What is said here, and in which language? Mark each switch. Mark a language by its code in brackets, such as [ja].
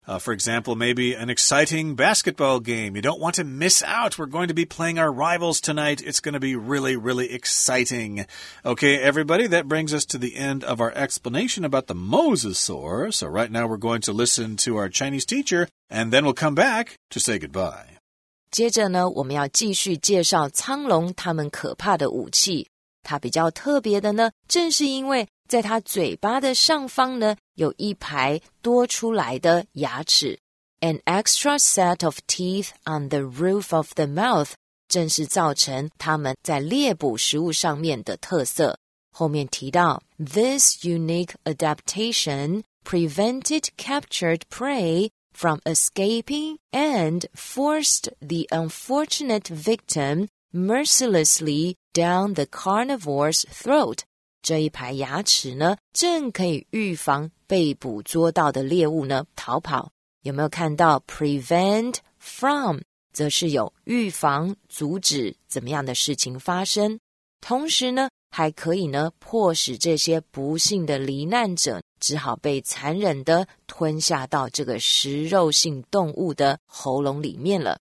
[en] For example, maybe an exciting basketball game. You don't want to miss out. We're going to be playing our rivals tonight. It's going to be really, really exciting. Okay, everybody, that brings us to the end of our explanation about the Mosasaur. So right now we're going to listen to our Chinese teacher, and then we'll come back to say goodbye. [zh] 接着呢，我们要继续介绍苍龙他们可怕的武器。它比较特别的呢，正是因为在它嘴巴的上方呢，有一排多出来的牙齿。 [en] An extra set of teeth on the roof of the mouth [zh] 正是造成它们在猎捕食物上面的特色。后面提到 [en] This unique adaptation prevented captured prey from escaping and forced the unfortunate victim mercilessly down the carnivore's throat. [zh] 这一排牙齿呢，正可以预防被捕捉到的猎物呢逃跑。有没有看到 prevent from 则是有预防阻止怎么样的事情发生，同时呢还可以呢迫使这些不幸的罹难者只好被残忍的吞下到这个食肉性动物的喉咙里面了。